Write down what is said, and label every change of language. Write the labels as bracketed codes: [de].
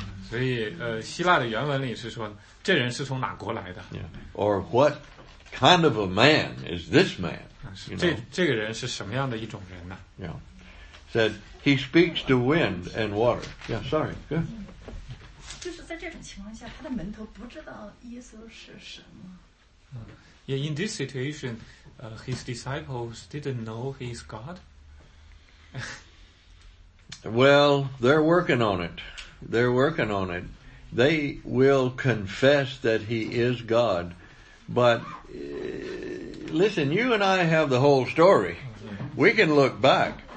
[zh] 所以希腊的原文里是说，这人是从哪国来的？ Yeah. [en] Or what kind of a man is this man? [zh] This 人是什么样的一种人呢？ Yeah. [en] Said he speaks to wind and water. Yeah, sorry. Good. [zh] 就是在这种情况下，他的门徒不知道耶稣是什么。 [en] Yeah, in this situation,his disciples didn't know he's God. Well, they're working on it. They're working on it. They will confess that he is God. But listen, you and I have the whole story. We can look back.